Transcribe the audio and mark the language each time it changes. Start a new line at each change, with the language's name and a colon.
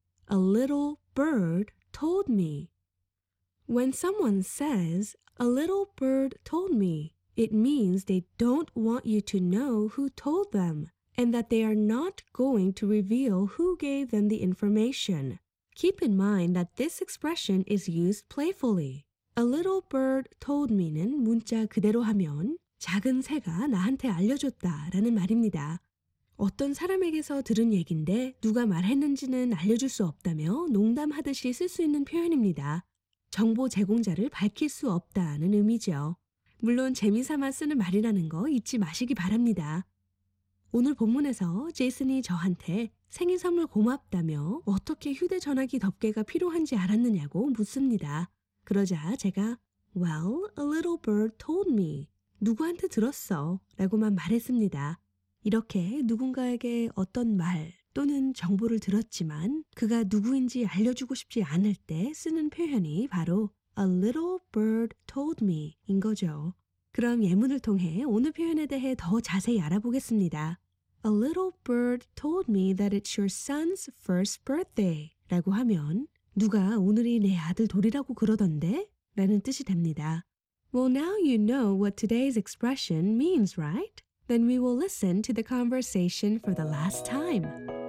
English: A little bird told me. When someone says, a little bird told me, it means they don't want you to know who told them. And that they are not going to reveal who gave them the information. Keep in mind that this expression is used playfully. A little bird told me
Korean: 는 문자 그대로 하면 작은 새가 나한테 알려줬다라는 말입니다. 어떤 사람에게서 들은 얘긴데 누가 말했는지는 알려줄 수 없다며 농담하듯이 쓸 수 있는 표현입니다. 정보 제공자를 밝힐 수 없다는 의미죠. 물론 재미삼아 쓰는 말이라는 거 잊지 마시기 바랍니다. 오늘 본문에서 제이슨이 저한테 생일 선물 고맙다며 어떻게 휴대전화기 덮개가 필요한지 알았느냐고 묻습니다. 그러자 제가
English: Well, a little bird told me.
Korean: 누구한테 들었어? 라고만 말했습니다. 이렇게 누군가에게 어떤 말 또는 정보를 들었지만 그가 누구인지 알려주고 싶지 않을 때 쓰는 표현이 바로
English: A little bird told me
Korean: 인 거죠. 그럼 예문을 통해 오늘 표현에 대해 더 자세히 알아보겠습니다.
English: A little bird told me that it's your son's first birthday
Korean: 라고 하면 누가 오늘이 내 아들 돌이라고 그러던데? 라는 뜻이 됩니다.
English: Well, now you know what today's expression means, right? Then we will listen to the conversation for the last time.